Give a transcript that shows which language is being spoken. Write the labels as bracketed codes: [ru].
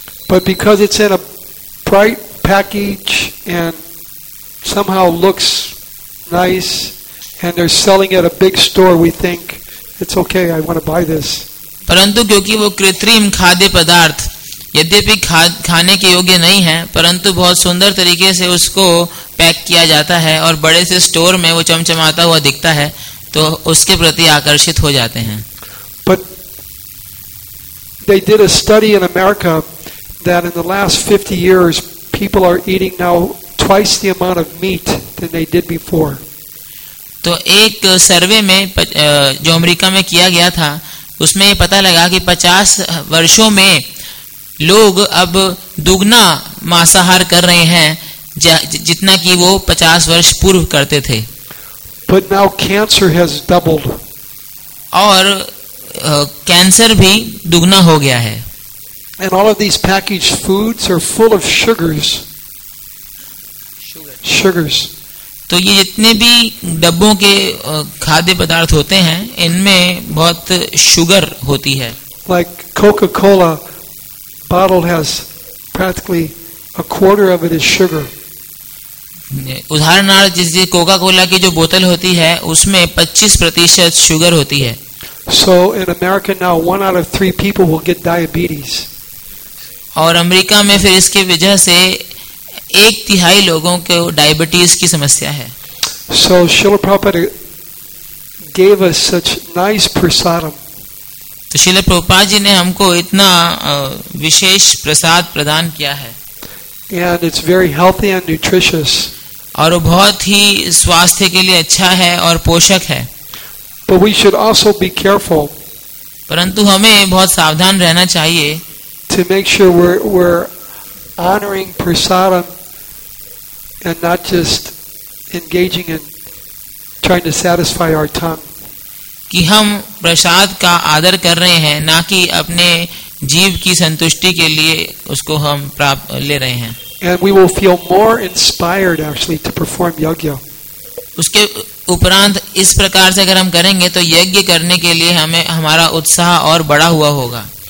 [en] But because it's in a bright package and somehow looks nice and they're selling at a big store, we think it's okay. I want to buy this. [hi] परंतु क्योंकि वो कृत्रिम खाद्य पदार्थ यद्यपि खाने के योग्य नहीं है, परंतु बहुत सुंदर तरीके से उसको पैक किया जाता है और बड़े से स्टोर में वो चमचमाता हुआ दिखता है, तो उसके प्रति आकर्षित हो जाते हैं। [en] But they did a study in America that in the last 50 years people are eating now twice the amount of meat than they did before. [hi] तो एक सर्वे में जो अमेरिका में किया गया था, उसमें ये पता लगा कि 50 वर्षों में लोग अब दुगना मांसाहार कर रहे हैं जितना कि वो 50 वर्ष पूर्व करते थे। [en] But now cancer has doubled. [hi] और कैंसर भी दुगना हो गया है। [en] And all of these packaged foods are full of sugars. Sugars. [hi] तो ये जितने भी डब्बों के खाद्य पदार्थ होते हैं, इनमें बहुत शुगर होती है। [en] Like Coca-Cola bottle has practically a quarter of it is sugar. [hi] उदाहरणार्थ जिस कोका-कोला की जो बोतल होती है, उसमें 25% शुगर होती है। [en] So in America now, one out of three people will get diabetes. [hi] और अमेरिका में फिर इसके वजह से एक तिहाई लोगों को डायबिटीज की समस्या है। [en] So Srila Prabhupada gave us such nice prasadam. [hi] तो श्रील प्रभुपाद जी ने हमको इतना विशेष प्रसाद प्रदान किया है। [en] And it's very healthy and nutritious. [hi] और वो बहुत ही स्वास्थ्य के लिए अच्छा है और पोषक है। [en] But we should also be careful. [hi] परंतु हमें बहुत सावधान रहना चाहिए। [en] To make sure we're honoring prasadam and not just engaging in trying to satisfy our tongue. [hi] कि हम प्रसाद का आदर कर रहे हैं, ना कि अपने जीव की संतुष्टि के लिए उसको हम प्राप्त ले रहे हैं। [en] And we will feel more inspired actually to perform yajna. [hi] उसके उपरांत इस प्रकार से अगर हम करेंगे तो यज्ञ करने के लिए हमें हमारा उत्साह और बढ़ा हुआ होगा।